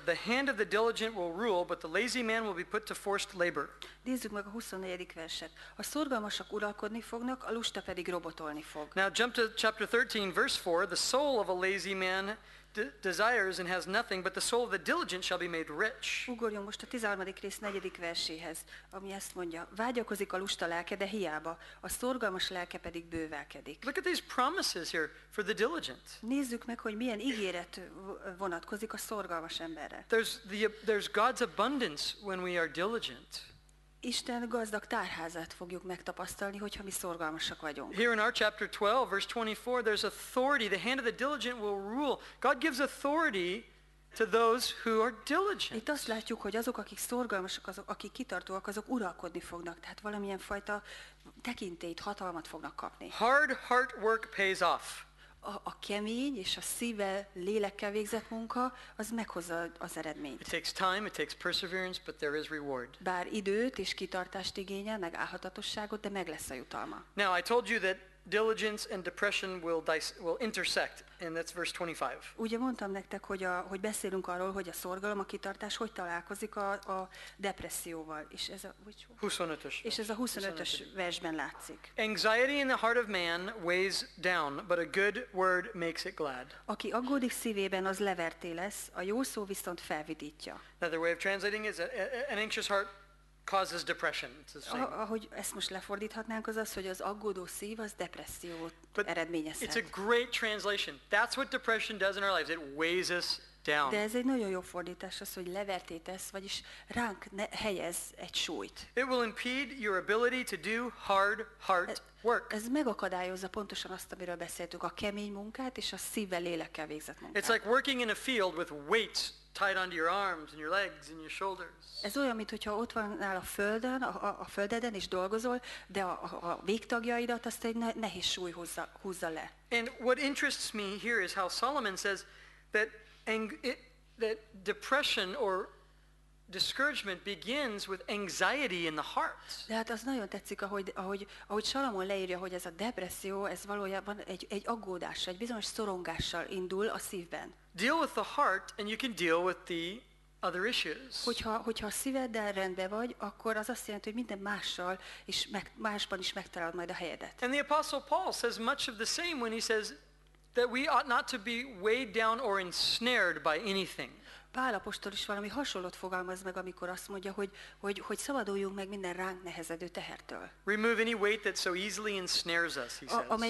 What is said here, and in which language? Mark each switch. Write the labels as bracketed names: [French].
[English] The hand of the diligent will rule, but the lazy man will be put to forced labor. [Hungarian] Nézzük meg a 24. verset. A szorgalmasak uralkodni fognak, a lusta pedig robotolni fog. [English] Now jump to chapter 13, verse 4. The soul of a lazy man desires and has nothing, but the soul of the diligent shall be made rich. [Hungarian] Ugorjunk most a 13. rész 4. verséhez, ami ezt mondja: vágyakozik a lusta lelke, de hiába, a szorgalmas lelke pedig bővelkedik. [English] Look at these promises here for the diligent. [Hungarian] Nézzük meg, hogy milyen ígéret vonatkozik a szorgalmas emberre. [English] There's God's abundance when we are diligent. [Hungarian] Isten gazdag tárházát fogjuk megtapasztalni, hogyha mi szorgalmasak vagyunk. [English] Here in our chapter 12, verse 24, there's authority. The hand of the diligent will rule. God gives authority to those who are diligent. [Hungarian] Itt azt látjuk, hogy azok, akik szorgalmasak, azok, akik kitartóak, azok uralkodni fognak. Tehát valamilyen fajta tekintélyt, hatalmat fognak kapni. [English] Hard heart work pays off. [Hungarian] A kemény és a szívvel, lélekkel végzett munka, az meghozza az eredményt. [English] It takes time, it takes perseverance, but there is reward. [Hungarian] Bár időt és kitartást igényel, meg álhatatosságot, de meg lesz a jutalma. [English] Now, I told you that diligence and depression will intersect, and that's verse 25. [Hungarian] Ugye mondtam nektek, hogy beszélünk arról, hogy a szorgalom, a kitartás hogy találkozik a depresszióval, és ez a 25-ös. És ez a 25-ös versben látszik. [English] Anxiety in the heart of man weighs down, but a good word makes it glad. [Hungarian] Aki aggódik szívében, az leverté lesz, a jó szó viszont felvidítja. [English] Another way of translating is an anxious heart causes depression. [Hungarian] Ahogy ezt most lefordíthatnánk, az, hogy az aggódó szív az depressziót eredményezhet. [English] It's a great translation. That's what depression does in our lives. It weighs us down. [Hungarian] De ez egy nagyon jó fordítás az, hogy levertétesz, vagyis ránk helyez egy súlyt. [English] It will impede your ability to do hard heart work. [Hungarian] Ez megakadályozza pontosan azt, amiről beszéltük, a kemény munkát és a szívvel lélekkel végzett munkát. [English] It's like working in a field with weights tied onto your arms and your legs and your shoulders. [Hungarian] Ez olyan, mint hogyha ott vannál a földön, a földeden is dolgozol, de a végtagjaidat azt egy nehéz súly húzza le. [English] And what interests me here is how Solomon says that that depression or discouragement begins with anxiety in the heart. [Hungarian] De hát az nagyon tetszik, ahogy Salamon leírja, hogy ez a depresszió, ez valójában egy aggódás, egy bizonyos szorongással indul a szívben. [English] Deal with the heart and you can deal with the other issues. [Hungarian] Hogyha a szíveddel rendben vagy, akkor az azt jelenti, hogy minden mással is másban is megtalálod majd a helyedet. [English] And the Apostle Paul says much of the same when he says that we ought not to be weighed down or ensnared by anything. [Hungarian] Pál apostol is valami hasonlót fogalmaz meg, amikor azt mondja, hogy szabaduljunk meg minden ránk nehezedő tehertől. [English] Remove any weight that so easily ensnares us, he says.